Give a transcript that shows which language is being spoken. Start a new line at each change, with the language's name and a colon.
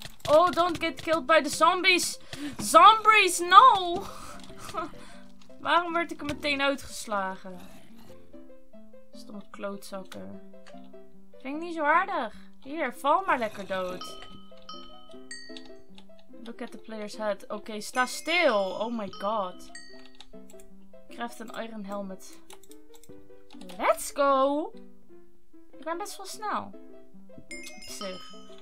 English: Oh, don't get killed by the zombies. Zombies, no.
Dutch: Waarom werd ik er meteen uitgeslagen? Stomme klootzakken. Vind ik niet zo aardig. Hier, val maar lekker dood.
English: Look at the player's head.
Dutch: Oké, sta stil.
English: Oh my god. Craft een iron helmet. Let's go.
Dutch: Ik ben best wel snel. Op zich.